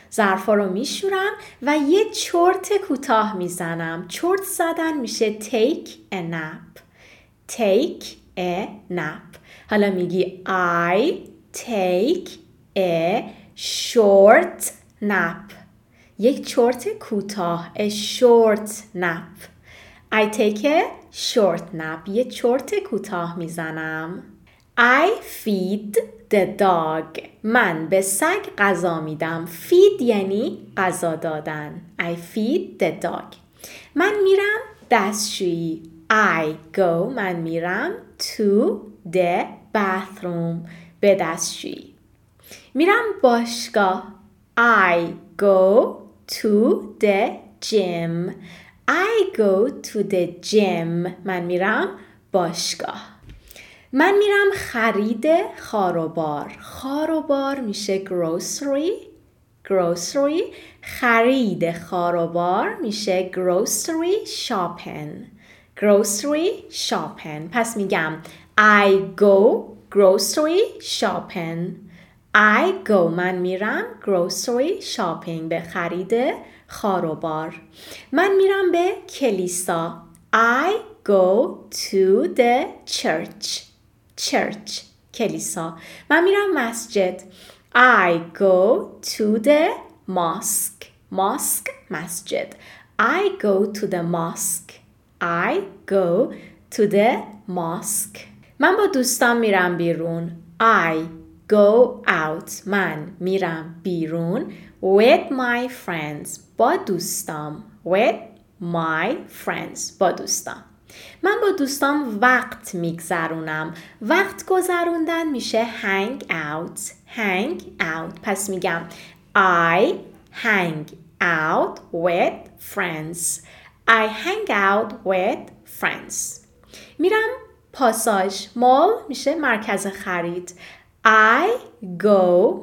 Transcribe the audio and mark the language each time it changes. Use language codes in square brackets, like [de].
[fa] ظرفا رو میشورم و یه چرت کوتاه میزنم. چرت زدن میشه [en] take a nap. Take a nap. [fa] حالا میگی [en] I take a short nap. [fa] یک چرت کوتاه. [en] A short nap. I take a short nap. [fa] یه چرت کوتاه میزنم. [en] I feed the dog. [fa] من به سگ غذا میدم. Feed یعنی غذا دادن. [en] I feed the dog. [fa] من میرم دستشویی. [en] I go. [fa] من میرم [en] to the bathroom. [fa] به دستشویی. میرم باشگاه. [en] I go to the gym. I go to the gym. [fa] من میرم باشگاه. من میرم خرید خاروبار. خاروبار میشه [en] grocery. Grocery. [fa] خرید خاروبار میشه [en] grocery shopping. Grocery shopping. [fa] پس میگم [en] I go grocery shopping. I go. [fa] من میرم [en] grocery shopping. [fa] به خرید خاروبار. من میرم به کلیسا. [en] I go to the church. Church. [fa] کلیسا. من میرم مسجد. [en] I go to the mosque. Mosque. [fa] مسجد. [en] I go to the mosque. I go to the mosque. [fa] من با دوستان میرم بیرون. [en] I go out. [fa] من میرم بیرون. [en] With my friends. [fa] با دوستام. [en] With my friends. [fa] با دوستام. من با دوستام وقت میگذرونم. وقت گذروندن میشه [en] hang out. Hang out. [fa] پس میگم [en] I hang out with friends. I hang out with friends. [fa] میرم پاساژ. مال میشه مرکز خرید. [en] I go.